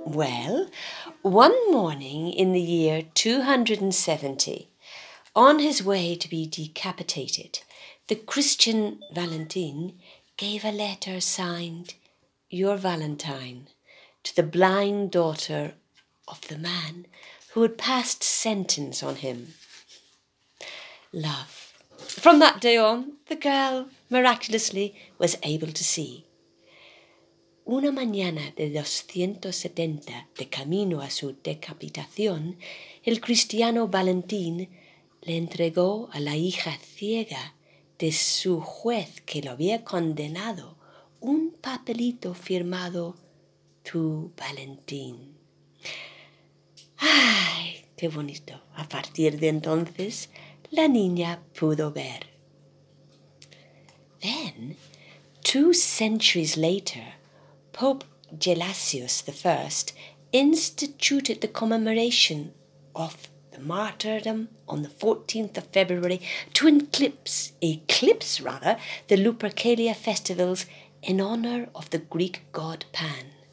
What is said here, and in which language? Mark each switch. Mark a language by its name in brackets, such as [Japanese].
[English] Well, one morning in the year 270, on his way to be decapitated, the Christian Valentin gave a letter signed, Your Valentine, to the blind daughter of the man who had passed sentence on him. Love. From that day on, the girl, miraculously, was able to see. [Spanish] Una mañana de 270, de camino a su decapitación, el cristiano Valentín le entregó a la hija ciega de su juez que lo había condenado un papelito firmado Tu Valentín. ¡Ay, qué bonito! A partir de entonces, la niña pudo ver. [English] Then, 2 centuries later, Pope Gelasius I instituted the commemoration of the martyrdom on the 14th of February to eclipse the Lupercalia festivals in honour of the Greek god Pan.